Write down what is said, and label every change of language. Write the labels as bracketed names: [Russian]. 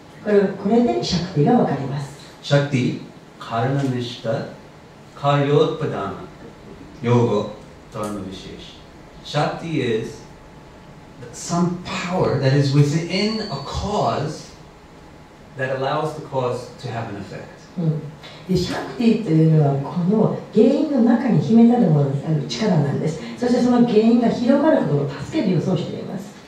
[Japanese] これでシャクティがわかります。シャクティ、カルナミシタ、カリオッパダーナ、ヨーゴ、ドラムビシエシ。 [English] シャクティ is some power that is within a cause that allows the cause to have an effect.、 [Japanese] でシャクティというのはこの原因の中に秘めたるものである力なんです。そしてその原因が広がることを助ける予想しています。